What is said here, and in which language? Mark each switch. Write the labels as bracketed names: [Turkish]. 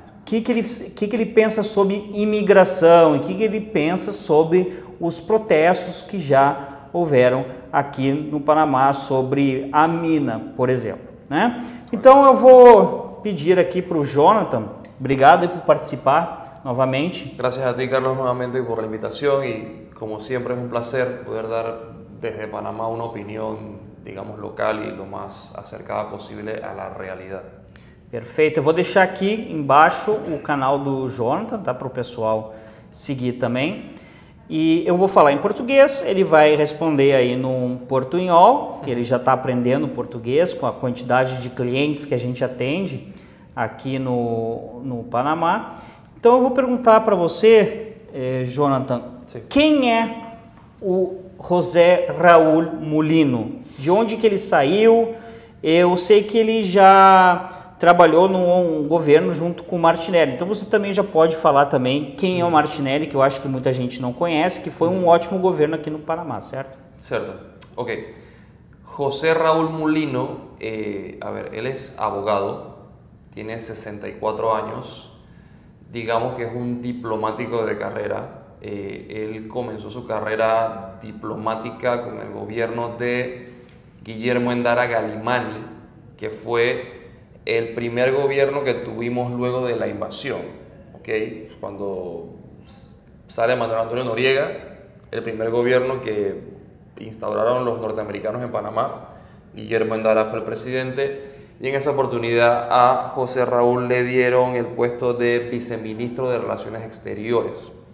[Portuguese] O que ele pensa sobre imigração e o que ele pensa sobre os protestos que já houveram aqui no Panamá sobre a mina, por exemplo, né? Então eu vou pedir aqui para o Jonathan, obrigado por participar novamente. [Spanish] Graças a ti, Carlos, novamente por la invitación y como siempre es un placer poder dar desde Panamá una opinión, digamos, local y lo más acercada posible a la realidad. [Portuguese] Perfeito. Eu vou deixar aqui embaixo o canal do Jonathan, tá? Para o pessoal seguir também. E eu vou falar em português, ele vai responder aí num portunhol, que ele já está aprendendo português com a quantidade de clientes que a gente atende aqui no Panamá. Então eu vou perguntar para você, Jonathan, sim, quem é o José Raul Mulino? De onde que ele saiu? Eu sei que ele já trabalhou num governo junto com o Martinelli. Então você também já pode falar também quem é o Martinelli, que eu acho que muita gente não conhece, que foi um ótimo governo aqui no Panamá, certo? Certo. Ok. José Raul Mulino, ele é abogado, tem 64 anos, digamos que é um diplomático de carreira. [Spanish] Él comenzó su carrera diplomática con el gobierno de Guillermo Endara Galimani, que fue el primer gobierno que tuvimos luego de la invasión. ¿Okay? Cuando sale Manuel Antonio Noriega, el primer gobierno que instauraron los norteamericanos en Panamá, Guillermo Endara fue el presidente, y en esa oportunidad a José Raúl le dieron el puesto de viceministro de Relaciones Exteriores.